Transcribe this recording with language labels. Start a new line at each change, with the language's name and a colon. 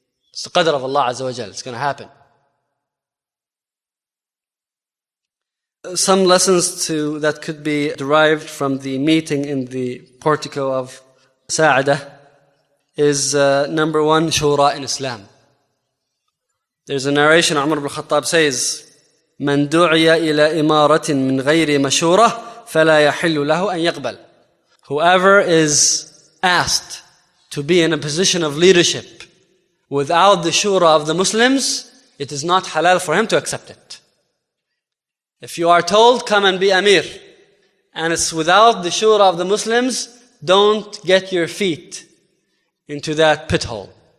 English: It's the qadr of Allah Azza wa Jal. It's going to happen. Some lessons that could be derived from the meeting in the portico of Sa'adah is number one, shura in Islam. There's a narration, Umar ibn Khattab says,
Arabic: مَنْ دُعِيَ إِلَىٰ إِمَارَةٍ مِنْ غَيْرِ مَشُورَةٍ فَلَا يَحِلُّ لَهُ أَنْ يَقْبَلْ.
English: Whoever is asked to be in a position of leadership without the shura of the Muslims, it is not halal for him to accept it. If you are told, come and be Amir, and it's without the shura of the Muslims, don't get your feet into that pit hole.